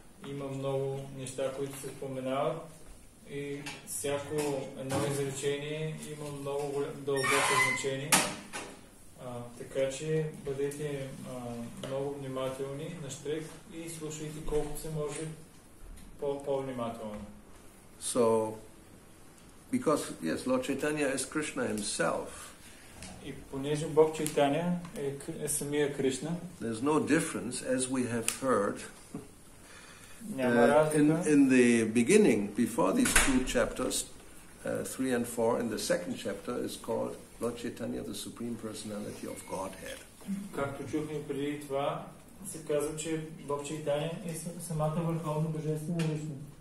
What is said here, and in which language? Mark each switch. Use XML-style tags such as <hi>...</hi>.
<bg>Има много неща, които се споменават и всяко едно изречение има много дълбоко значение. Така че бъдете много внимателни на штрек и слушайте колкото се може по-внимателно.</bg> <en>So, because yes, Lord Chaitanya is Krishna himself.</en> <bg>И понеже Бог Чайтанья е самия Кришна.</bg> <en>There's no difference, as we have heard.</en> <bg>Няма разлика.</bg> <en>In the beginning, before these two chapters, 3 and 4, in the second chapter is called Lord Chaitanya, the Supreme Personality of Godhead.</en> <bg>Както чухме преди това, се казва, че Бог Чайтанья е самата върховна божествена личност.</bg>